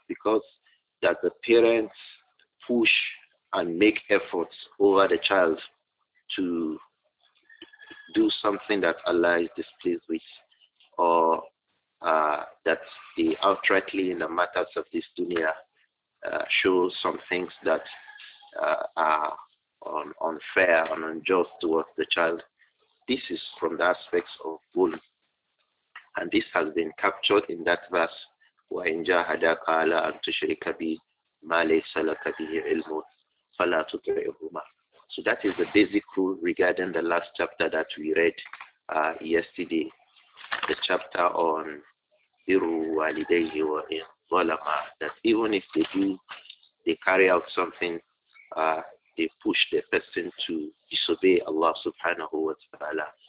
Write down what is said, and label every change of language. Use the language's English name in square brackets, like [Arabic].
[English] Because that the parents push and make efforts over the child to do something that Allah is displeased with, or that they outrightly in the matters of this dunya show some things that are unfair and unjust towards the child. This is from the aspects of bull. And this has been captured in that verse, [Arabic] وَإِنْ جَاهَدَاكَ عَلَىٰ أَنْ تُشْرِكَ بِي مَا لَيْسَ لَكَ بِهِ عِلْمٌ فَلَا تُطِعْهُمَا. [English] So that is the basic rule regarding the last chapter that we read yesterday, the chapter on [Arabic] بِرُّ وَالِدَيْهِ وَإِنْ ظَلَمَا, [English] that even if they do, they carry out something, they push the person to disobey Allah subhanahu wa ta'ala.